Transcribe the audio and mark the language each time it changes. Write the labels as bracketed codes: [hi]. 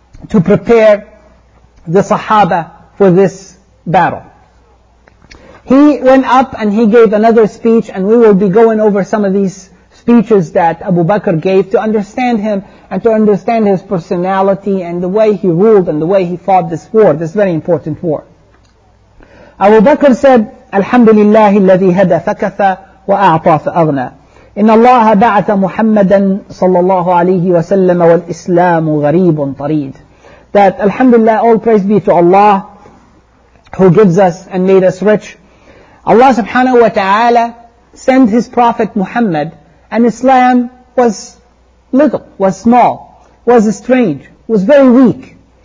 [en] To prepare the Sahaba for this battle. He went up and he gave another speech, and we will be going over some of these speeches that Abu Bakr gave to understand him and to understand his personality and the way he ruled and the way he fought this war, this very important war. Abu Bakr said, [ar] Alhamdulillah الذي هدى فكثى وأعطى فأغنى. إن الله بعث محمدا صلى الله عليه وسلم والإسلام غريب طريد. [en] That Alhamdulillah, all praise be to Allah who gives us and made us rich. Allah subhanahu wa ta'ala sent His Prophet Muhammad, and Islam was little, was small, was strange, was very weak.